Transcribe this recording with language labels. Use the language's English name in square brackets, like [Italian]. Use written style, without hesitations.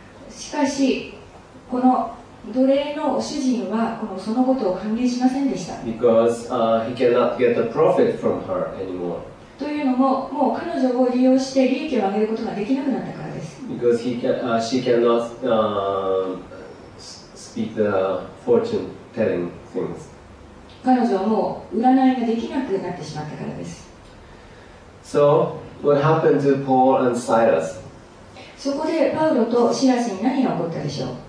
[Japanese] しかしこの奴隷の主人はこのそのことを歓迎しませんでした。 [English] Because he cannot get the profit from her anymore. [Japanese] というのももう彼女を利用して利益を上げることができなくなったからです。 [English] Because she cannot speak the fortune telling things. [Japanese] 彼女はもう占いができなくなってしまったからです。 [English] So, what happened to Paul and Silas? [Japanese] そこでパウロとシラスに何が起こったでしょう?